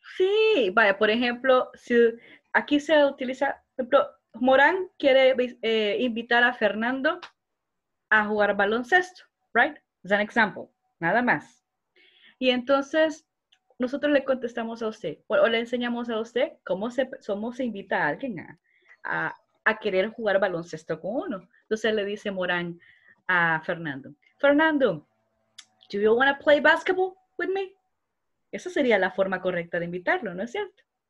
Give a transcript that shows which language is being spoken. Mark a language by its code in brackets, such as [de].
[es] Sí, vaya, por ejemplo, si aquí se utiliza, por ejemplo, Morán quiere invitar a Fernando a jugar baloncesto, right? [en] As an example, [es] nada más. Y entonces, nosotros le contestamos a usted, o le enseñamos a usted cómo se invita a alguien a querer jugar baloncesto con uno. Entonces le dice Morán a [en] Fernando, Fernando, do you want to play basketball with me? [es] Esa sería la forma correcta de invitarlo, ¿no es cierto?